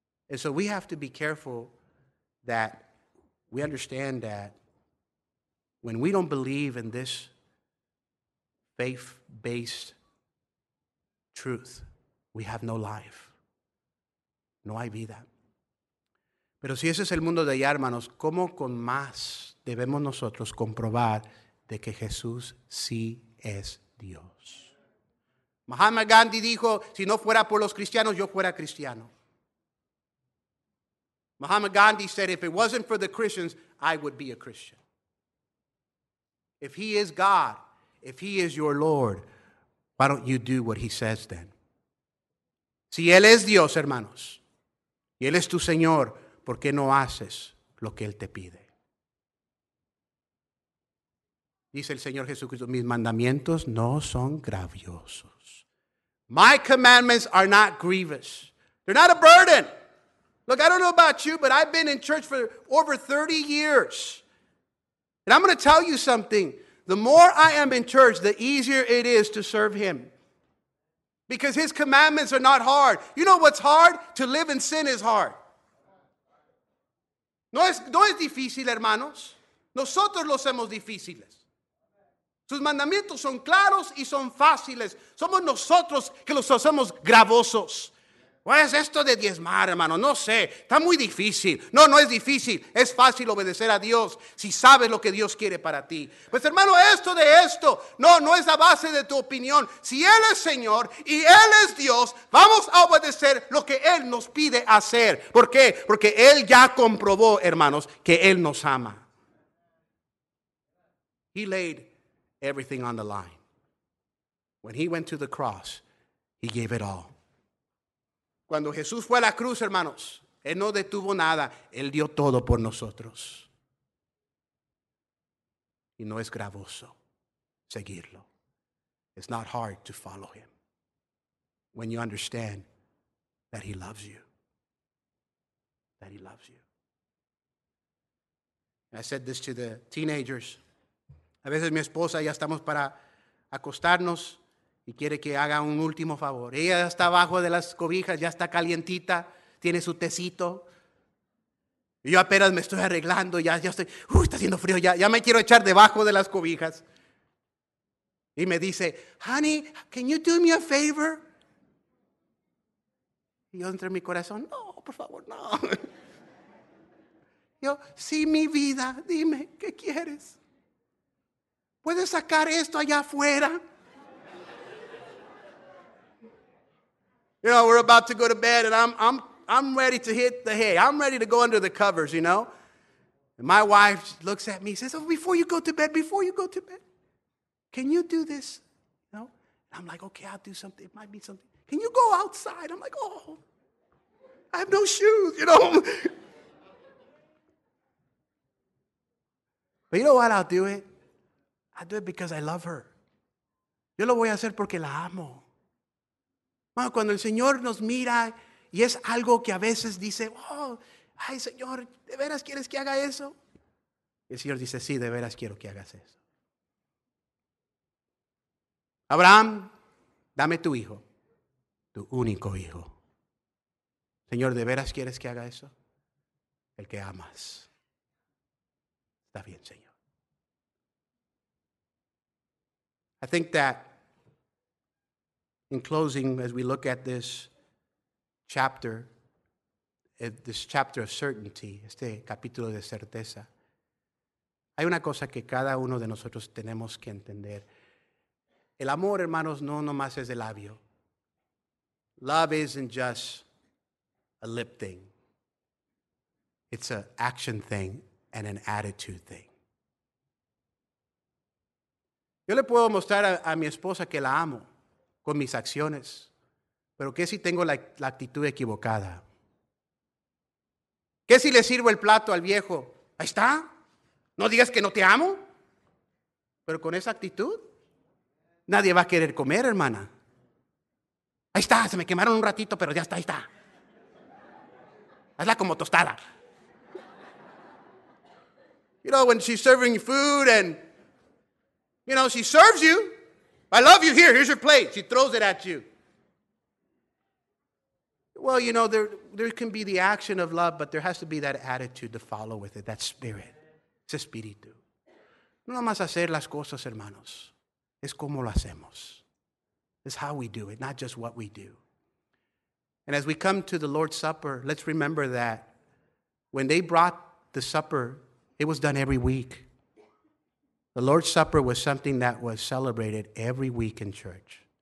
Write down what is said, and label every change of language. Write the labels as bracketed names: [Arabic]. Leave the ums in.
[English] And so we have to be careful that we understand that when we don't believe in this faith based truth, we have no life. [Spanish] No hay vida. Pero si ese es el mundo de allá, hermanos, ¿cómo con más debemos nosotros comprobar de que Jesús sí es Dios? Mahatma Gandhi dijo, si no fuera por los cristianos, yo fuera cristiano. [English] Mahatma Gandhi said, if it wasn't for the Christians, I would be a Christian. If he is God, if he is your Lord, why don't you do what he says then? [Spanish] Si él es Dios, hermanos, y él es tu Señor, ¿por qué no haces lo que Él te pide? Dice el Señor Jesucristo, mis mandamientos no son graviosos. [English] My commandments are not grievous. They're not a burden. Look, I don't know about you, but I've been in church for over 30 years. And I'm going to tell you something. The more I am in church, the easier it is to serve Him. Because His commandments are not hard. You know what's hard? To live in sin is hard. [Spanish] No es, no es, difícil, hermanos. Nosotros los hacemos difíciles. Sus mandamientos son claros y son fáciles. Somos nosotros que los hacemos gravosos. ¿Cuál es esto de diezmar, hermano? No sé. Está muy difícil. No, no es difícil. Es fácil obedecer a Dios si sabes lo que Dios quiere para ti. Pues, hermano, esto de esto. No, no es la base de tu opinión. Si Él es Señor y Él es Dios, vamos a obedecer lo que Él nos pide hacer. ¿Por qué? Porque Él ya comprobó, hermanos, que Él nos ama. [English] He laid everything on the line. When he went to the cross, he gave it all. [Spanish] Cuando Jesús fue a la cruz, hermanos, él no detuvo nada, él dio todo por nosotros. Y no es gravoso seguirlo. [English] It's not hard to follow him when you understand that he loves you. That he loves you. And I said this to the teenagers. [Spanish] A veces mi esposa ya estamos para acostarnos y quiere que haga un último favor. Ella ya está abajo de las cobijas, ya está calientita, tiene su tecito. Y yo apenas me estoy arreglando, ya, ya estoy, uh, está haciendo frío, ya, ya me quiero echar debajo de las cobijas. Y me dice, [English] honey, can you do me a favor? [Spanish] Y yo entre en mi corazón, no, por favor, no. Yo, sí, mi vida, dime, ¿qué quieres? ¿Puedes sacar esto allá afuera? [English] You know, we're about to go to bed and I'm, I'm, I'm ready to hit the hay. I'm ready to go under the covers, you know? And my wife looks at me says, Oh, before you go to bed, before you go to bed, can you do this? You know? And I'm like, Okay, I'll do something. It might be something. Can you go outside? I'm like, Oh, I have no shoes, you know? but you know what? I'll do it. I do it because I love her. [Spanish] Yo lo voy a hacer porque la amo. Bueno, cuando el Señor nos mira y es algo que a veces dice, oh, ay Señor, ¿de veras quieres que haga eso? Y el Señor dice, sí, de veras quiero que hagas eso. Abraham, dame tu hijo, tu único hijo. Señor, ¿de veras quieres que haga eso? El que amas. Está bien, Señor. [English] I think that in closing, as we look at this chapter, at this chapter of certainty, [Spanish] este capítulo de certeza, hay una cosa que cada uno de nosotros tenemos que entender. El amor, hermanos, no nomás es de labio. [English] Love isn't just a lip thing. It's an action thing and an attitude thing. [Spanish] Yo le puedo mostrar a, a mi esposa que la amo con mis acciones. Pero ¿qué si tengo la, la, actitud equivocada? ¿Qué si le sirvo el plato al viejo? Ahí está. No digas que no te amo. Pero con esa actitud, nadie va a querer comer, hermana. Ahí está, se me quemaron un ratito, pero ya está, ahí está. Hazla como tostada. [English] You know, when she's serving you food and, you know, she serves you, I love you. Here, here's your plate. She throws it at you. Well, you know, there, there can be the action of love, but there has to be that attitude to follow with it, that spirit. [Spanish] Ese espíritu. No más hacer las cosas, hermanos. Es como lo hacemos. [English] It's how we do it, not just what we do. And as we come to the Lord's Supper, let's remember that when they brought the supper, it was done every week. The Lord's Supper was something that was celebrated every week in church.